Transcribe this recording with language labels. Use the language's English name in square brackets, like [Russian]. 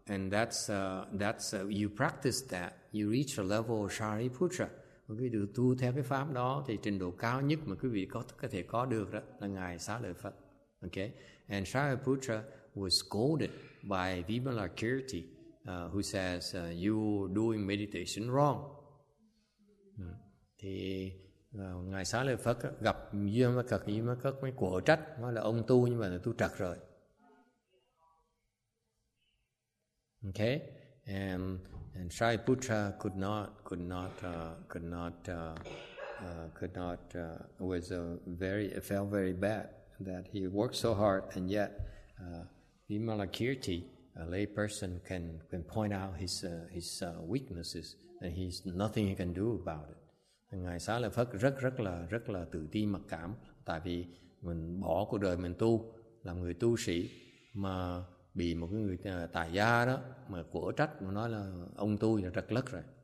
[English] You practice that, you reach a level of Shariputra. [Vietnamese] Quý vị tu theo cái pháp đó thì trình độ cao nhất mà quý vị có thể có được đó là ngài Xá Lợi Phật. [English] Okay. And Shariputra was scolded by Vimalakirti, who says you doing meditation wrong. [Vietnamese] Thì ngài Xá Lợi Phật gặp Vimalakirti mới quở trách, nói là ông tu nhưng mà tu trật rồi. [English] Okay, and Shariputra felt very bad that he worked so hard, and yet Vimalakirti, a lay person, can point out his weaknesses, and he's nothing he can do about it. [Vietnamese] Ngài Xá Lợi Phật rất là tự ti mặc cảm, tại vì mình bỏ cuộc đời mình tu làm người tu sĩ mà bị một cái người tài gia đó mà quở trách, mà nói là ông tôi là trật lất rồi.